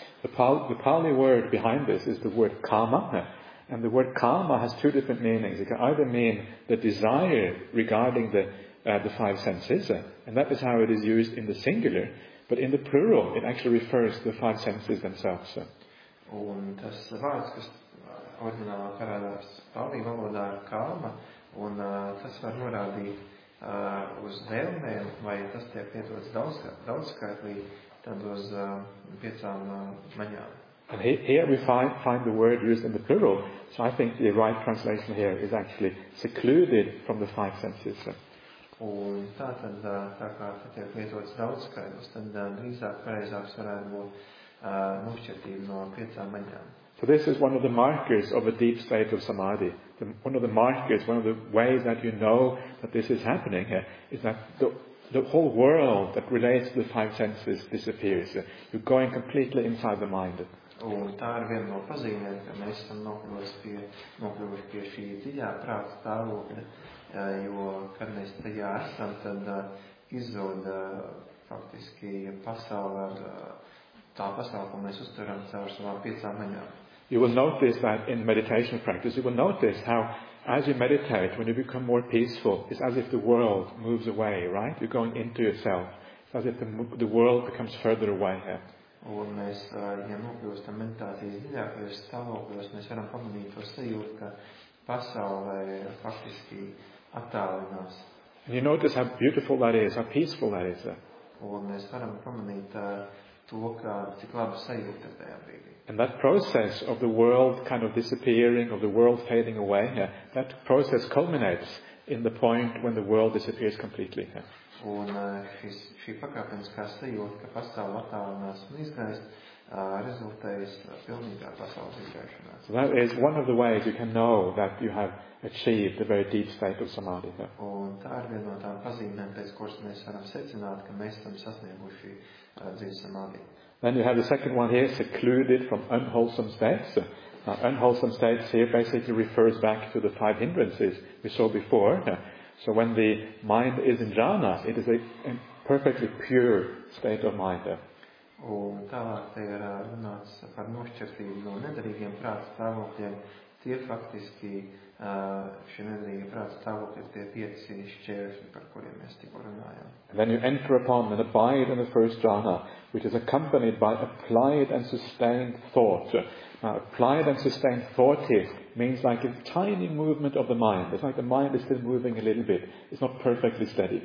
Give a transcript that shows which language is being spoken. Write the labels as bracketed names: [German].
[English] The Pali word behind this is the word kāma. And the word karma has two different meanings. It can either mean the desire regarding the five senses, and that is how it is used in the singular, but in the plural it actually refers to the five senses themselves. [Latvian] Un tas vārds, kas originālā parādās Pāli valodā ir karma, un tas var norādīt uz vēlmēm, vai tas tiek lietots daudzskaitlī, tad uz piecām maņām. [English] And here we find the word used in the plural, so I think the right translation here is actually secluded from the five senses. [Latvian] Un tātad, tā kā tiek lietots daudzskaidrs, tad drīzāk pareizāks varētu būt nošķirtība no piecām maņām. [English] So this is one of the markers of a deep state of samadhi. One of the markers, one of the ways that you know that this is happening is that the the whole world that relates to the five senses disappears. You're going completely inside the mind. [Latvian] Un tā ir viena no pazīmēm, ka mēs esam nokļuvuši pie šī dziļā prāta stāvokļa, jo, kad mēs tajā esam, tad izzūd faktiski pasaule ar tā pasaule, ko mēs uztveram caur savām piecām maņām. [English] You will notice that in meditation practice, you will notice how as you meditate, when you become more peaceful, it's as if the world moves away, right? You're going into yourself. It's as if the world becomes further away. [Latvian] Un mēs, ja nokļūstam meditācijas dziļākajos stāvokļos, mēs varam pamanīt to sajūtu, ka pasaulē faktiski attālinās. [English] And you notice how beautiful that is, how peaceful that is. [Latvian] Un mēs varam pamanīt to, ka cik laba sajūta tajā brīdī. [English] And that process of the world kind of disappearing, of the world fading away, yeah, that process culminates in the point when the world disappears completely. Yeah. [Latvian] Un šī pakāpeniskā sajūta, ka pasaule attālinās un izgaist, rezultējas pilnīgā pasaules izgaišanās. [English] So that is one of the ways you can know that you have achieved a very deep state of samādhi. Yeah. [Latvian] Un tā ir viena no tām pazīmēm, pēc kuras mēs varam secināt, ka mēs esam sasnieguši dzīves samādhi. [English] Then you have the second one here, secluded from unwholesome states. Unwholesome states here basically refers back to the five hindrances we saw before. So when the mind is in jhana, it is a perfectly pure state of mind. [Latvian] Un tālāk te ir runāts par nošķirtību no nedarīgiem prāta stāvokļiem. Tie faktiski, šie nedarīgi prāta stāvokļi ir tie pieci šķēršļi, par kuriem mēs tikko runājām. [English] And then you enter upon and abide in the first jhana, which is accompanied by applied and sustained thought. Now, applied and sustained thought is means like a tiny movement of the mind. It's like the mind is still moving a little bit. It's not perfectly steady.